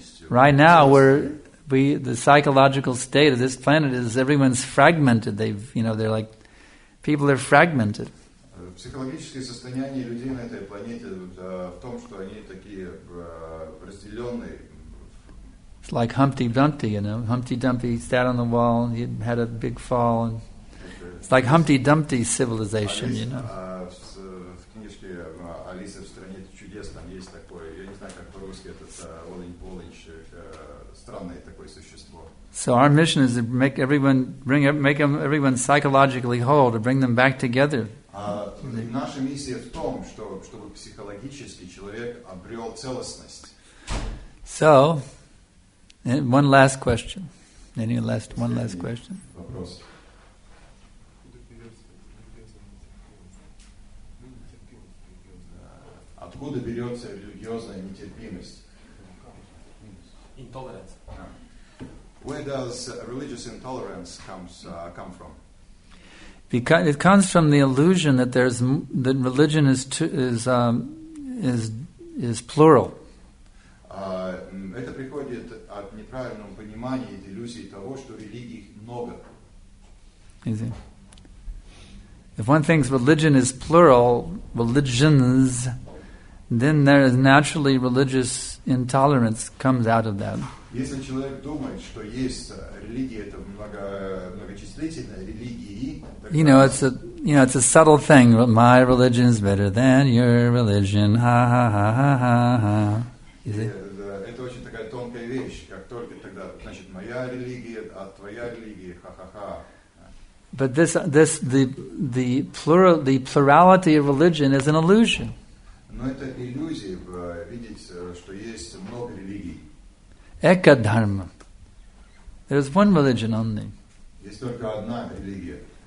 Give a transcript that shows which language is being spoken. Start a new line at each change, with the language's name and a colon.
English: Right now, the psychological state of this planet is everyone's fragmented. They've, you know, they're like, people are fragmented.
Russian: Психологическое состояние людей на этой планете в том, что они такие разделенные.
English: It's like Humpty Dumpty, you know. Humpty Dumpty sat on the wall and he had a big fall. And it's like Humpty Dumpty civilization, you know.
Russian: В книжке «Алиса в стране чудес» там есть такое, я не знаю, как по-русски, этот Олень-Полень, странное такое существо.
English: So our mission is to make everyone psychologically whole, to bring them back together.
Russian: Наша миссия в том, чтобы психологически человек обрел целостность.
English: So, one last question. Any last, one last question?
Russian: Вопрос. Откуда берется религиозная нетерпимость?
English: Intolerance. Where does religious intolerance come from? Because it comes from the illusion that there's that religion is too, is plural.
Russian: Это приходит от неправильного понимания и иллюзии того, что религий много.
English: Easy. If one thinks religion is plural, religions, then there is naturally religious intolerance comes out of that.
Russian: Если человек думает, что есть религия, это многочислительная религия.
English: You know, it's a subtle thing. My religion is better than your religion. Ha ha ha ha ha ha.
Russian: Это очень такая тонкая вещь, как только тогда, значит, моя религия, а твоя религия, ха ха ха.
English: But the plurality of religion is an illusion.
Russian: Но это иллюзия видеть, что есть много религий.
English: Экадхарма. There's one religion only.
Russian: Есть только одна религия.